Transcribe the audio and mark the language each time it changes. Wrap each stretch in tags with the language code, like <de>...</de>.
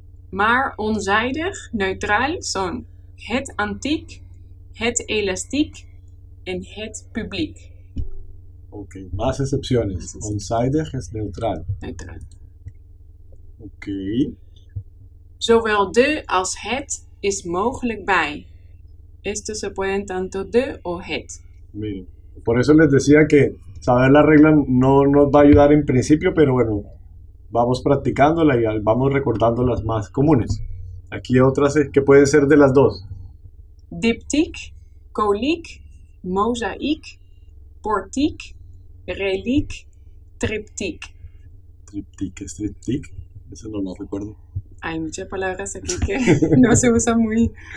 <nl>Maar onzijdig, neutraal, son het antiek, het elastiek en het publiek.</nl> <es>Oké, okay, más excepciones. Onzijdig es neutral. Neutral. Oké. Okay.</es> <nl>Zowel de als het is mogelijk bij.</nl> <es>Esto se pueden tanto de o het. Miren, por eso les decía que saber la regla no nos va a ayudar en principio, pero bueno, vamos practicándola y vamos recordando las más comunes. Aquí otras que pueden ser de las dos.</es> <fr>Diptyque, colique, mosaïque, portique, relique, triptyque.</fr> <es>Triptyque, striptyque, eso no lo recuerdo. Hay muchas palabras aquí que no se usan muy,</es>